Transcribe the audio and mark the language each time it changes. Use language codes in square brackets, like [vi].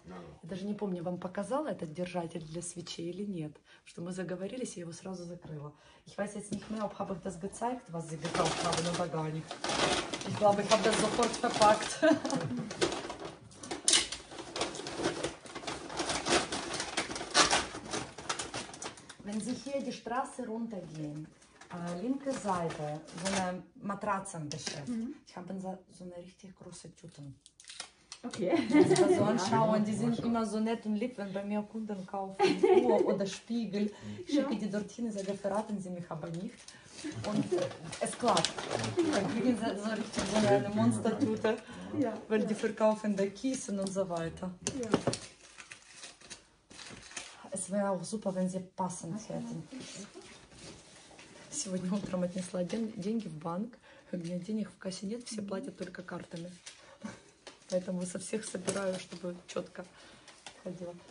[de] Schön. [ru] Я даже не помню, вам показала этот держатель для свечей или нет? Что мы заговорились, я его сразу закрыла. [de] Ich weiß jetzt nicht mehr, ob habe ich das gezeigt, was sie gekauft haben in Bagani. Ich glaube, ich habe das sofort verpackt. Wenn Sie hier die Straße runtergehen, linke Seite, so eine Matratzengeschäft. Mhm. Ich habe so eine richtig große Tüte. Okay. Ich muss das so anschauen, die sind immer so nett und lieb, wenn bei mir Kunden kaufen, Uhr oder Spiegel. Ich schicke die dorthin, sage, verraten Sie mich aber nicht. Und es klappt. Dann kriegen Sie so richtig so eine Monstertüte, weil die verkaufen da Kissen und so weiter. Es wäre auch super, wenn Sie passend hätten. [ru] Сегодня утром отнесла деньги в банк. У меня денег в кассе нет, все платят только картами. Поэтому со всех собираю, чтобы четко ходила.